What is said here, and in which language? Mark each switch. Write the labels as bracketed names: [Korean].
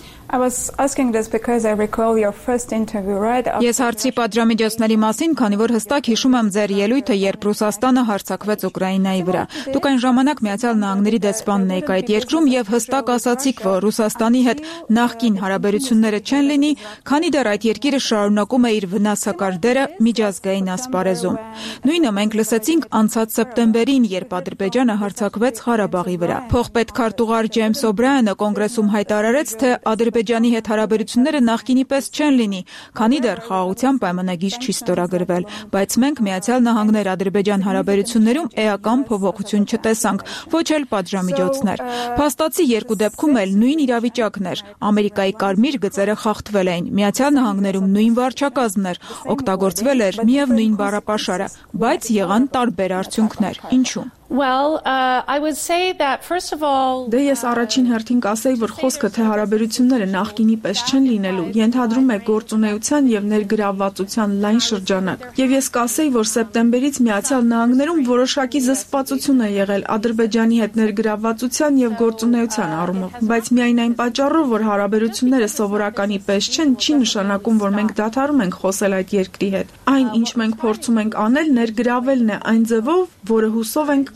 [English] I was asking this because I recall your first interview, right? [Armenian] Ես հարցի պատրամիջոցների մասին, քանի որ հստակ հիշում եմ ձեր ելույթը, երբ Ռուսաստանը հարձակվեց Ուկրաինայի վրա։ Դուք այն ժամանակ Միացյալ Նահանգների դեսպանն էիք այդ երկրում, և հստակ ասացիք, որ Ռուսաստանի հետ նախկին հարաբերությունները չեն լինի, քանի դեռ այդ երկիրը շարունակում է իր վնասակար դերը միջազգային ասպարեզում։ Նույնը մենք լսեցինք անցած սեպտեմբերին, երբ Ադրբեջանը հարձակվեց Ղարաբաղի վրա։ Փոխպետքարտուղար Ջեյմս Օբրայանը կոնգրեսում հայտարարեց, թե Ադրբեջանի հետ հարաբերությունները նախկինի պես չեն լինի, քանի դեռ խաղաղության պայմանագիր չի ստորագրվել, բայց մենք Միացյալ Նահանգներ Ադրբեջան հարաբերություններում էական փոփոխություն չտեսանք, ոչ էլ պատժամիջոցներ։ Փաստացի երկու դեպքում էլ նույն իրավիճակն էր։ Ամերիկայի կարմիր գծերը խախտվել էին, Միացյալ Նահանգներում նույն վարչակազմն էր, օգտագործվել էր միևնույն բառապաշարը, բայց եղան տարբեր արդյունքներ։ Ինչու՞։ [English] Well, I would say that first of all, [Armenian] դե ես առաջին հերթին կասեի, որ խոսքը թե հարաբերությունները նախկինի պես չեն լինելու, ենթադրում է գործունեության և ներգրավվածության լայն շրջանակ։ Եվ ես կասեի, որ սեպտեմբերից Միացյալ Նահանգներում որոշակի զսպվածություն է եղել Ադրբեջանի հետ ներգրավվածության և գործունեության առումով, բայց միայն այն պատճառով, որ հարաբերությունները սովորականի պես չեն, չի նշանակում, որ մենք դադարում ենք խոսել այդ երկրի հետ։ Այն, ինչ մենք փորձում ենք անել, ներգրավելն է այն ձևով, որը հուսով ենք